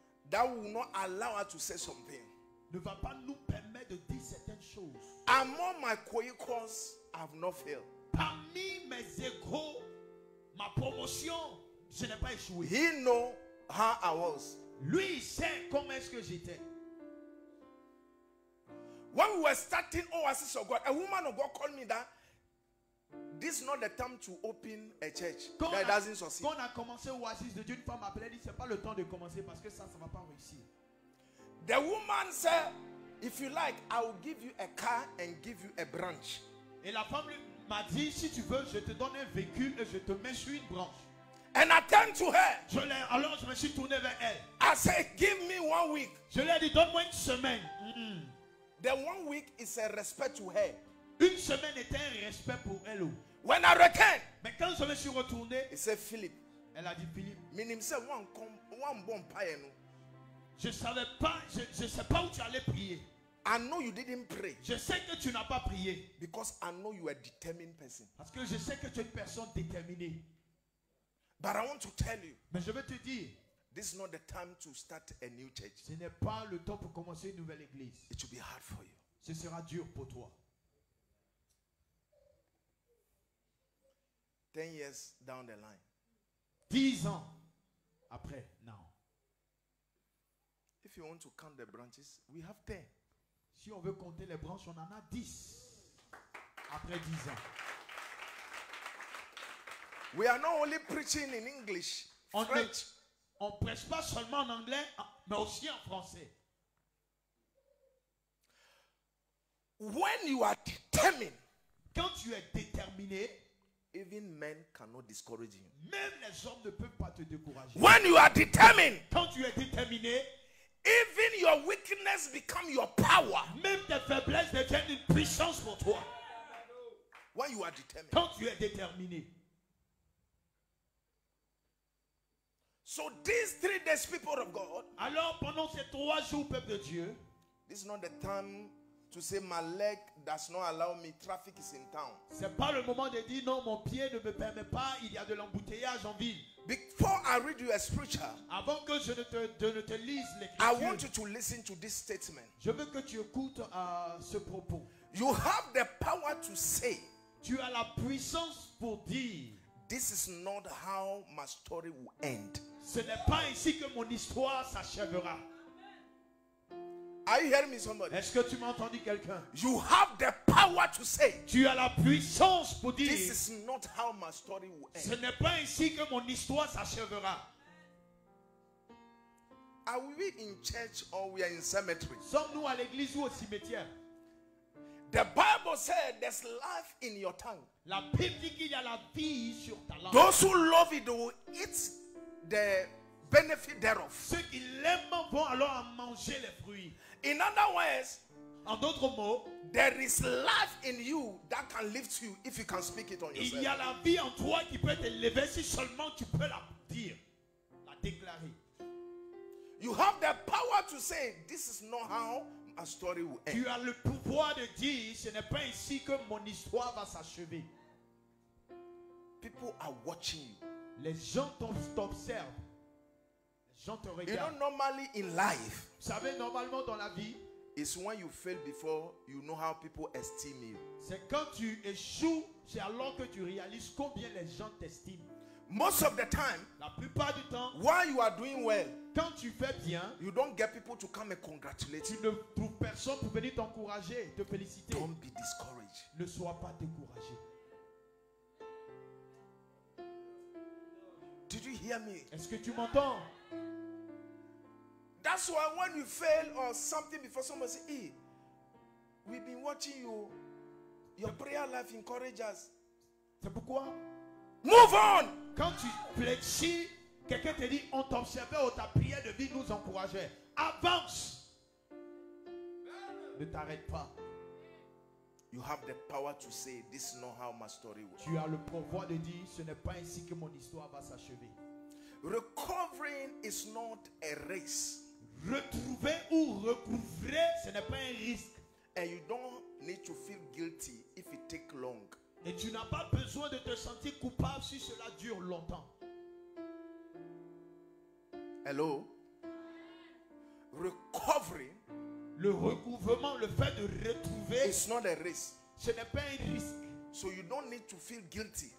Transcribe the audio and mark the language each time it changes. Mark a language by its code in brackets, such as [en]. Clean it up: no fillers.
[en] That will not allow her to say something. [fr] Ne va pas nous permettre de dire certaines choses. [en] Among my coequals, I have not failed. [fr] Parmi mes égaux, ma promotion, je n'ai pas échoué. [en] He know how I was. [fr] Lui il sait comment est-ce que j'étais. [en] When we were starting Oasis of God, a woman of God called me that this is not the time to open a church. [fr] Quand [en] that doesn't succeed. [fr] Quand on a commencé Oasis de Dieu, une femme appelée dit c'est pas le temps de commencer parce que ça va pas réussir. [en] The woman said, "If you like, I will give you a car and give you a branch." [fr] Et la femme m'a dit si tu veux, je te donne un véhicule et je te mets sur une branche. [en] And I turned to her. [fr] Alors je me suis tourné vers elle. [en] I said, "Give me 1 week." [fr] Je lui ai dit donne-moi une semaine. [en] Mm-hmm. The 1 week is a respect to her. [fr] Une semaine était un respect pour elle. [en] When I returned, [fr] mais quand je me suis retourné, [en] he said, "Philip." [fr] Elle a dit Philip. [en] Meaning, say one come, one bon paye nous. [fr] Je savais pas, je sais pas où tu allais prier. [en] I know you didn't pray. [fr] Je sais que tu n'as pas prié. [en] Because I know you are a determined person. [fr] Parce que je sais que tu es une personne déterminée. [en] But I want to tell you. [fr] Mais je veux te dire. [en] This is not the time to start a new church. [fr] Ce n'est pas le temps pour commencer une nouvelle église. [en] It will be hard for you. [fr] Ce sera dur pour toi. [en] 10 years down the line. [fr] 10 ans après, now. [en] If you want to count the branches, we have 10. [fr] Si on veut compter les branches, on en a 10. Après 10 ans. [en] We are not only preaching in English, French. [fr] On prêche pas seulement en anglais, mais aussi en français. [en] When you are determined, [fr] quand tu es déterminé, [en] even men cannot discourage you. [fr] Même les hommes ne peuvent pas te décourager. [en] When you are determined, [fr] quand tu es déterminé, [en] even your weakness become your power. [fr] Même tes faiblesses deviennent une puissance pour toi. [en] When you are determined. [fr] Quand tu es déterminé. [en] So these 3 days, people of God. [fr] Alors pendant ces 3 jours, peuple de Dieu. [en] This is not the time to say my leg does not allow me. Traffic is in town. [fr] C'est pas le moment de dire non, mon pied ne me permet pas. Il y a de l'embouteillage en ville. [en] Before I read you a scripture, [fr] avant que je ne te lise l'écriture, [en] I want you to listen to this statement. [fr] Je veux que tu écoutes ce propos. [en] You have the power to say. [fr] Tu as la puissance pour dire. [en] This is not how my story will end. [fr] Ce n'est pas ainsi que mon histoire s'achèvera. [en] Are you hearing me, somebody? [fr] Est-ce que tu m'as entendu, quelqu'un? [en] You have the power to say. [fr] Tu as la puissance pour dire. [en] This is not how my story will end. [fr] Ce n'est pas ainsi que mon histoire s'achèvera. [en] Are we in church or we are in cemetery? [fr] Sommes-nous à l'église ou au cimetière? [en] The Bible said there's life in your tongue. [fr] La Bible dit qu'il y a la vie sur ta langue. [en] Those who love it will eat the benefit thereof. [fr] Ceux qui l'aiment vont alors en manger les fruits. [en] In other words, [fr] en d'autres mots, [en] there is life in you that can lift you if you can speak it on yourself. [fr] Il y a la vie en toi qui peut te lever si seulement tu peux la dire, la déclarer. [en] You have the power to say this is not how a story will end. [fr] Tu as le pouvoir l'espoir de dire, ce n'est pas ainsi que mon histoire va s'achever. [en] People are watching you. [fr] Les gens t'observent. Les gens te regardent. [en] You know, normally in life, [fr] vous savez, normalement dans la vie, [en] it's when you fail before you know how people esteem you. [fr] C'est quand tu échoues, c'est alors que tu réalises combien les gens t'estiment. [en] Most of the time, [fr] la plupart du temps, [en] while you are doing well, [fr] quand tu fais bien, [en] you don't get people to come and congratulate [fr] you. Tu ne trouves personne pour venir t'encourager, te féliciter. [en] Don't be discouraged. [fr] Ne sois pas découragé. [en] Did you hear me? [fr] Est-ce que tu m'entends? [en] That's why when you fail or something before someone say, "Hey, we've been watching you. Your prayer life encourages us." [fr] C'est pourquoi? [en] Move on. [fr] Quand tu fléchis, quelqu'un te dit, on t'observait ou ta prière de vie nous encourageait. Avance. Ne t'arrête pas. [en] You have the power to say, this is not how my story will. [fr] Tu as le pouvoir de dire, ce n'est pas ainsi que mon histoire va s'achever. [en] Recovering is not a race. [fr] Retrouver ou recouvrer, ce n'est pas un risque. [en] And you don't need to feel guilty if it takes long. [fr] Et tu n'as pas besoin de te sentir coupable si cela dure longtemps. [en] Hello? Recovering, [fr] le recouvrement, le fait de retrouver, [en] it's not a risk. [fr] Ce n'est pas un risque. [en] So you don't need to feel guilty.